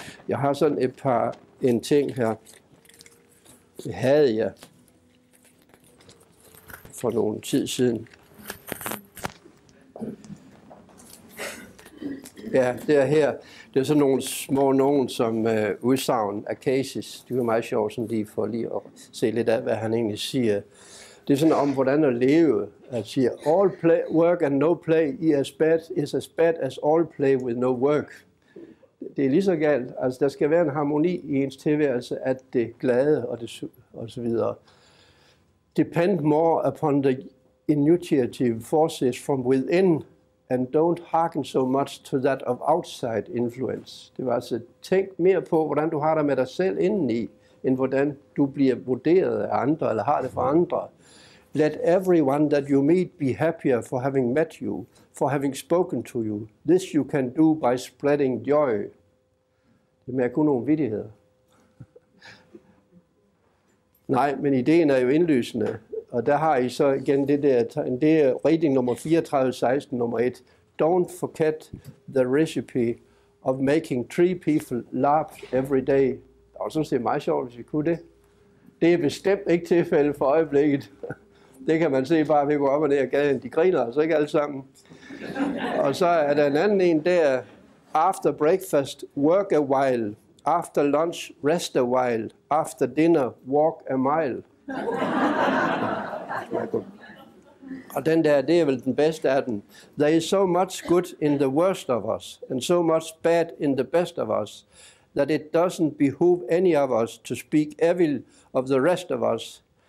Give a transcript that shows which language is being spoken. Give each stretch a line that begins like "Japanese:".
Danish: Jeg har sådan en ting her, det havde jeg for nogle tid siden. Ja, det er her. Det er sådan nogle små nogen, som udsagn af Cases. Det er jo meget sjovt, sådan lige for lige at se lidt af, hvad han egentlig siger. Det er sådan om, hvordan at leve. Han siger,
English: all play, work and no play is as bad as all play with no work.
Danish: Det er lige så galt. Altså, der skal være en harmoni i ens tilværelse, at det glade og, det, og så videre.
English: Depend more upon the initiative forces from within, and don't hearken so much to that of outside influence.
Danish: Det var altså, tænk mere på, hvordan du har det med dig selv indeni, end hvordan du bliver vurderet af andre, eller har det for andre.
English: Let everyone that you meet be happier for having met you, for having spoken to you. This you can do by spreading joy.
Danish: Det er mere kun nogle vittigheder. Nej, men ideen er jo indlysende. Og der har I så igen det der, det er reading nummer 3416, nummer 1.
English: Don't forget the recipe of making 3 people laugh every day.
Danish: Det var sådan set meget sjovt, hvis vi kunne det. Det er bestemt ikke tilfældet for øjeblikket. Det kan man se bare ved at gå op og ned ad gaden. De griner altså ikke alle sammen. Og så er der en anden en der.
English: After breakfast, work a while. After lunch, rest a while. After dinner, walk a mile.
Danish: Og den der, det er vel den bedste af den.
English: There is so much good in the worst of us, and so much bad in the best of us, that it doesn't behoove any of us to speak evil of the rest of us.